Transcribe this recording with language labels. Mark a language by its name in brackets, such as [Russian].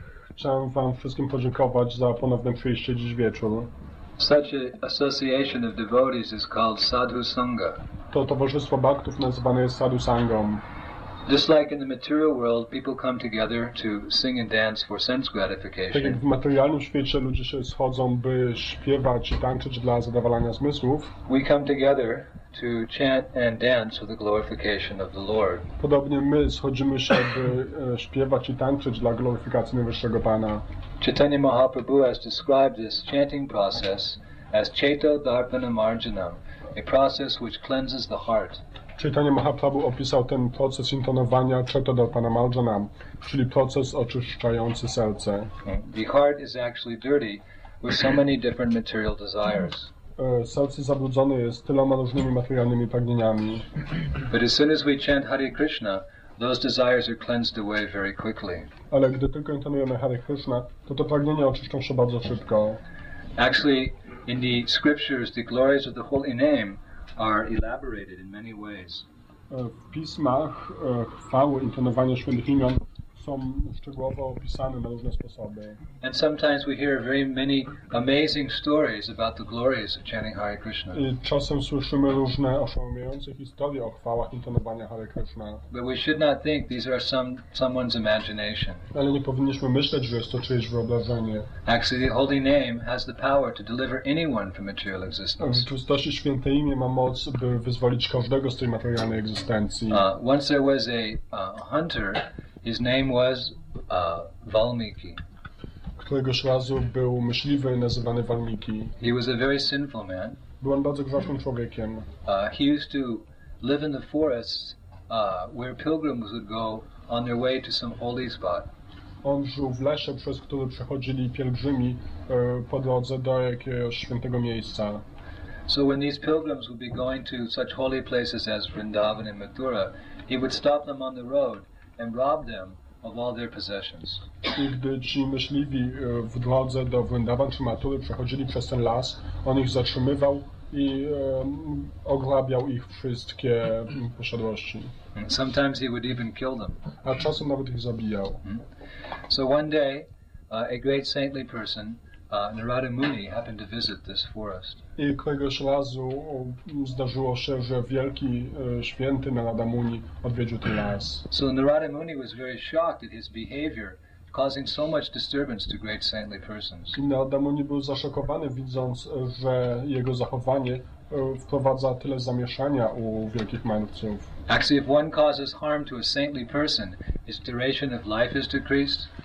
[Polish] Chciałem wam wszystkim podziękować za ponowne przyjście dziś wieczór. [English] Such an association of devotees is called Sadhu Sangha. [Polish] To towarzystwo bhaktów nazywane jest Sadhu Sangham. [English] Just like in the material world, people come together to sing and dance for sense gratification. [Polish] Tak jak w materialnym świecie ludzie się schodzą, by śpiewać i tańczyć dla zadowalania zmysłów. [English] We come together to chant and dance for the glorification of the Lord. [Polish] Podobnie my schodzimy się, by śpiewać i tańczyć dla gloryfikacji Najwyższego Pana. [English] Chaitanya Mahaprabhu has described this chanting process as Chaito Dharpana Marjanam, a process which cleanses the heart. [Polish] Chaitanya Mahaprabhu opisał ten proces intonowania Chaito Dharpana Marjanam, czyli proces oczyszczający serce. [English] The heart is actually dirty with so many different material desires. [Polish] Serce zabrudzone jest tyloma różnymi materialnymi pragnieniami. [English] But as soon as we chant Hare Krishna, those desires are cleansed away very quickly. [Polish] Ale gdy tylko intonujemy Hare Krishna, to pragnienia oczyszczą się bardzo szybko. [English] Actually, in the scriptures, the glories of the holy name are elaborated in many ways. [Polish] W pismach chwały, intonowanie świętych imion są szczegółowo opisane na różne sposoby. [English] And sometimes we hear very many amazing stories about the glories of chanting Hare Krishna. [Polish] I czasem słyszymy różne oszałamiające historie o chwałach intonowania Hare Krishna. [English] But we should not think these are someone's imagination. [Polish] Ale nie powinniśmy myśleć, że jest to czyjeś wyobrażenie. [English] Actually, the holy name has the power to deliver anyone from material existence. [Polish] W czystości święte imię ma moc, by wyzwolić każdego z tej materialnej egzystencji. [English] Once there was a hunter. His name was Valmiki. [Polish] Któregoś razu był myśliwy nazywany Valmiki. [English] He was a very sinful man. [Polish] Był on bardzo grzesznym człowiekiem. [English] He used to live in the forests where pilgrims would go on their way to some holy spot. [Polish] On żył w lesie, przez który przechodzili pielgrzymi po drodze do jakiegoś świętego miejsca. [English] So when these pilgrims would be going to such holy places as Vrindavan and Mathura, he would stop them on the road and rob them of all their possessions. [Polish] I gdy ci myśliwi w drodze do Vrindavan czy Mathury przechodzili przez ten las, on ich zatrzymywał i ograbiał ich wszystkie posiadłości. [English] Sometimes he would even kill them. [Polish] A czasem nawet ich zabijał. [English] So one day, a great saintly person, Narada Muni, happened to visit this forest. [Polish] I któregoś razu zdarzyło się, że wielki święty Narada Muni odwiedził ten las. [English] So Narada Muni was very shocked at his behavior, causing so much disturbance to great saintly persons. [Polish] Narada Muni był zaszokowany, widząc, że jego zachowanie wprowadza tyle zamieszania u wielkich mędrców. [English] Actually, if one causes harm to a saintly person, his duration of life is decreased.